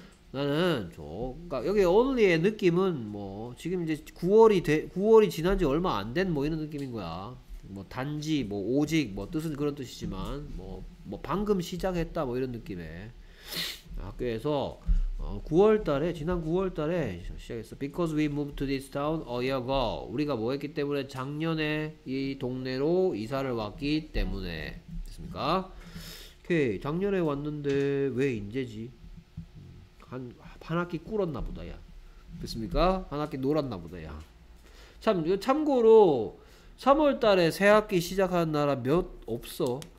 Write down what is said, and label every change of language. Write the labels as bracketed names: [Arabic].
[Korean] 나는 저 그러니까 여기 only의 느낌은 뭐 지금 이제 9월이 지난 지 얼마 안 된 뭐 이런 느낌인 거야. 뭐 단지 뭐 오직 뭐 뜻은 그런 뜻이지만 뭐 방금 시작했다 뭐 이런 느낌에 학교에서 지난 9월 달에 시작했어. [English] Because we moved to this town a year ago. [Korean] 우리가 뭐 했기 때문에 작년에 이 동네로 이사를 왔기 때문에. 됐습니까? 오케이. 작년에 왔는데 왜 이제지? 한 학기 꿇었나 보다 야. 됐습니까? 한 학기 놀았나 보다 야. 참고로 3월 달에 새학기 시작한 나라 몇 없어.